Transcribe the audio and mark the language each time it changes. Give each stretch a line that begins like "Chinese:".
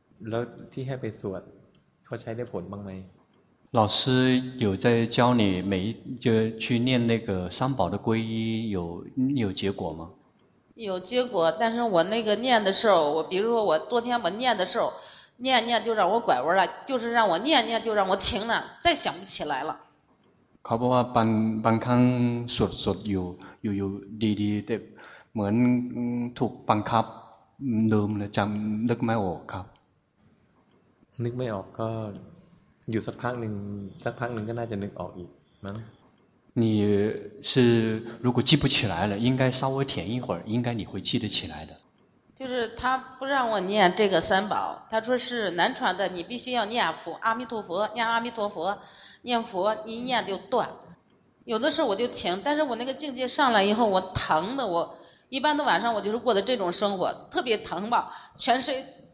Thai: แล้วที่ให้ไปสวดเขาใช้ได้ผลบ้างไหม
Chinese: 老师有在教你每就去念那个三宝的皈依有结果吗有结果但是我那个念的时候我比如说我昨天我念的时候念念就让我拐弯了就是让我念念就让我停了再想不起来了
Thai: เขาบอกว่าบางครั้งสวดอยู่ดีๆแต่เหมือนถูกบังคับลืมแล้วจำนึกไม่ออกครับ นึกไม่ออกก็อยู่สักพักหนึ่งก็น่าจะนึกออกอีกมั้ง
Chinese: 你是如果记不起来了应该稍微停一会儿应该你会记得起来的就是他不让我念这个三宝他说是难传的你必须要念佛阿弥陀佛念阿弥陀佛念佛一念就断有的时候我就停但是我那个境界上来以后我疼的我一般的晚上我就是过的这种生活特别疼吧全身